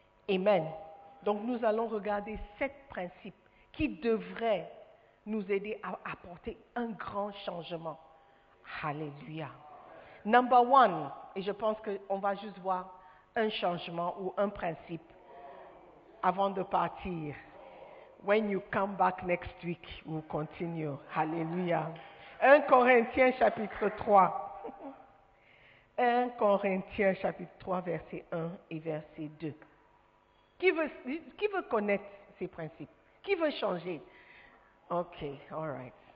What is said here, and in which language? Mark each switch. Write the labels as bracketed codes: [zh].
[fr] Amen. Donc nous allons regarder sept principes qui devraient nous aider à apporter un grand changement. Alléluia. [en] Number one, [fr] et je pense qu'on va juste voir un changement ou un principe avant de partir. [en] When you come back next week, we'll continue. [fr] Alléluia. 1 Corinthiens chapitre 3. 1 Corinthiens chapitre 3, verset 1 et verset 2. Qui veut connaître ces principes? Qui veut changer? [en] Ok, all right.